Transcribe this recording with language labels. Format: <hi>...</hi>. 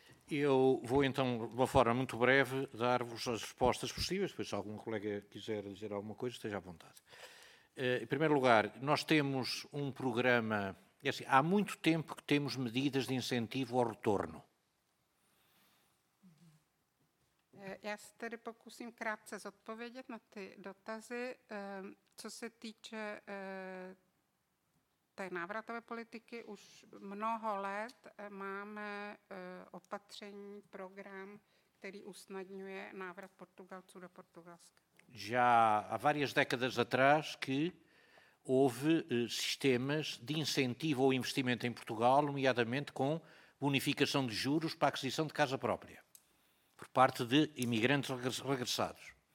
<pt>Eu vou então, de uma forma muito breve, dar-vos as respostas possíveis, depois se algum colega quiser dizer alguma coisa, esteja à vontade. Em primeiro lugar, nós temos um programa, é assim, há muito tempo que temos medidas de incentivo ao retorno.</pt> <cs>Já se tedy pokusím krátce zodpovědět na ty dotazy. Co se týče té návratové politiky, už mnoho let máme opatření, program, který usnadňuje návrat Portugalců do Portugalska.</cs> <pt>Já há várias décadas atrás que houve sistemas de incentivo ao investimento em Portugal, nomeadamente com bonificação de juros para a aquisição de casa própria, por parte de imigrantes regressados.</pt>